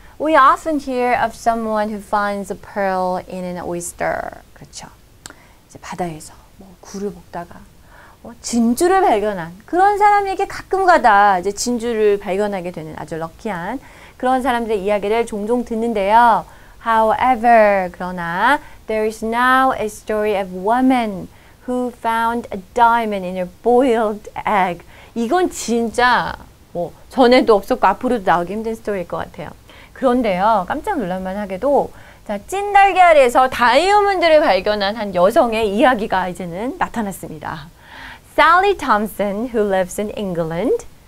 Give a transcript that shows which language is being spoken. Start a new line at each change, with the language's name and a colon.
English: We often hear of someone who finds a pearl in an oyster.
Korean: 그렇죠. 이제 바다에서. 굴을 먹다가 진주를 발견한 그런 사람에게 가끔가다 이제 진주를 발견하게 되는 아주 럭키한 그런 사람들의 이야기를 종종 듣는데요.
English: However,
Korean: 그러나
English: there is now a story of woman who found a diamond in her boiled egg.
Korean: 이건 진짜 전에도 없었고 앞으로도 나오기 힘든 스토리일 것 같아요. 그런데요, 깜짝 놀랄만하게도 자, 찐 달걀에서 다이아몬드를 발견한 한 여성의 이야기가 이제는 나타났습니다.
English: Sally Thompson, who lives in England.